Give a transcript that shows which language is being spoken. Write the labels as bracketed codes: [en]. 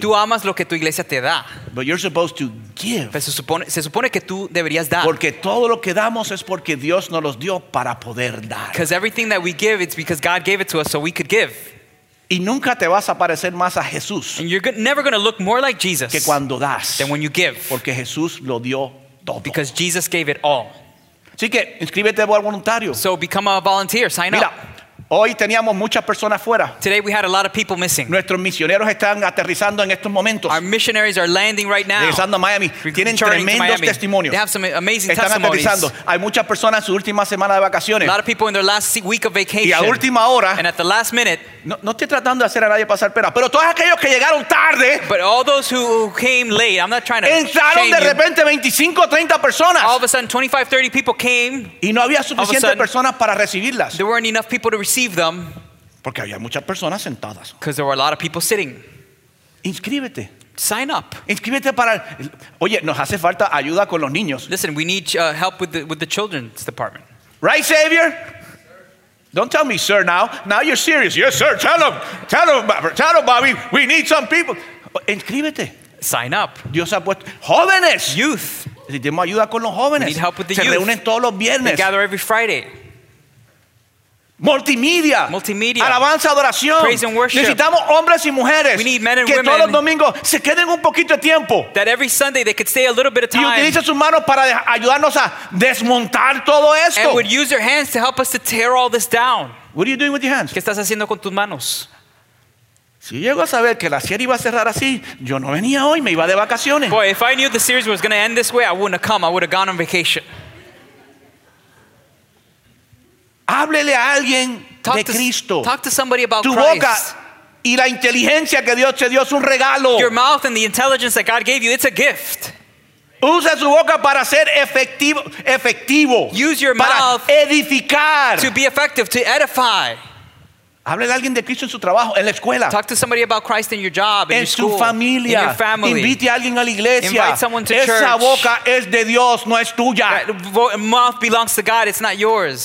[es] Tú amas lo que tu iglesia te da. [en] But you're supposed to give. [es] Pues se supone que tú deberías dar. Porque todo lo que damos es porque Dios nos los dio para poder dar. [en] Because everything that we give, it's because God gave it to us so we could give. [es] Y nunca te vas a parecer más a Jesús. [en] And you're never going to look more like Jesus. [es] Que cuando das. [en] Than when you give. [es] Porque Jesús lo dio todo. [en] Because Jesus gave it all. [es] Así que inscríbete como voluntario. [en] So become a volunteer. Sign [es] Mira, [en] up. [es] Hoy teníamos muchas personas fuera. [en] Today we had a lot of people missing. [es] Nuestros misioneros están aterrizando en estos momentos. [en] Our missionaries are landing right now. [es] Regresando a Miami. Tienen tremendos testimonios. [en] They have some amazing [es] testimonies. Están aterrizando. Hay muchas personas en su última semana de vacaciones. [en] A lot of people in their last week of vacation. [es] Y a última hora. [en] And at the last minute. [es] No estoy tratando de hacer a nadie pasar pena, pero todos aquellos que llegaron tarde. [en] But all those who came late. I'm not trying to. [es] Entraron de repente 25 o 30 personas. [en] All of a sudden 25, 30 people came. [es] Y no había suficientes personas para recibirlas. [en] There weren't enough people to receive. Them [es] porque había muchas personas sentadas. [en] Because there were a lot of people sitting. [es] Inscríbete. [en] Sign up. [es] Inscríbete para. Oye, nos hace falta ayuda con los niños. [en] Listen, we need help with the children's department. Right, Savior? Don't tell me, sir. Now you're serious. Yes, sir. Tell them, Bobby. We need some people. Inscríbete. Sign up. [es] Dios ha puesto jóvenes. [en] Youth. [es] Necesitamos ayuda con los jóvenes. [en] We need help with the [es] Se [en] youth. [es] Se reúnen todos los viernes. [en] They gather every Friday. [es] Multimedia. Alabanza, adoración. [en] Praise and worship. [es] Necesitamos hombres y mujeres [en] we need men and [es] que [en] women [es] todos los domingos se queden un poquito de tiempo. [en] That every Sunday they could stay a little bit of time. [es] Y utilicen sus manos para ayudarnos a desmontar todo esto. [en] And would use their hands to help us to tear all this down. What are you doing with your hands? [es] ¿Qué estás haciendo con tus manos? Si llego a saber que la serie iba a cerrar así, yo no venía hoy, me iba de vacaciones. [en] Boy, if I knew the series was going to end this way, I wouldn't have come. I would have gone on vacation. [es] Háblele a alguien de Cristo. [en] Talk to somebody about Christ. [es] Tu boca y la inteligencia que Dios te dio es un regalo. [en] Your mouth and the intelligence that God gave you, it's a gift. [es] Usa su boca para ser efectivo. [en] Use your mouth [es] para edificar. [en] To be effective, to edify. [es] Háblele a alguien de Cristo en su trabajo, en la escuela. [en] Talk to somebody about Christ in your job, in [es] en [en] your school, [es] su familia. [en] In your family. [es] Invite a alguien a la iglesia. [en] Invite someone to [es] Esa [en] church. [es] Boca es de Dios, no es tuya. [en] That mouth belongs to God, it's not yours.